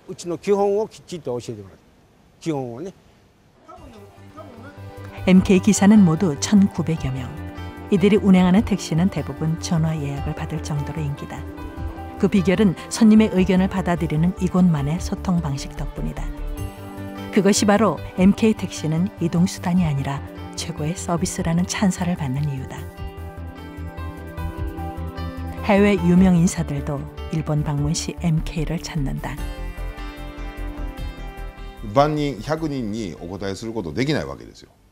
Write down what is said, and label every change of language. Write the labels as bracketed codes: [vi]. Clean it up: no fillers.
[ja] 第一に厳しいとしか頭の中ではちょっと考えられなかったですけど、いざやってその声がガラガラになるまで声出してやってたらもう気持ちいいです。年齢は一切関係ありません。二十歳の方であっても、まあそれが今50いくつ何歳の方でも新入社員で来られます。全く一緒です。もう年齢一切関係なしに、うちの基本をきっちりと教えてもらう。基本をね。 [ko] MK 기사는 모두 1900여 명. 이들이 운행하는 택시는 대부분 전화 예약을 받을 정도로 인기다. 그 비결은 손님의 의견을 받아들이는 이곳만의 소통 방식 덕분이다. 그것이 바로 MK 택시는 이동수단이 아니라 최고의 서비스라는 찬사를 받는 이유다. 해외 유명 인사들도 일본 방문 시 MK를 찾는다. [ja] 100人 100人이 お答えすることできないわけですよ。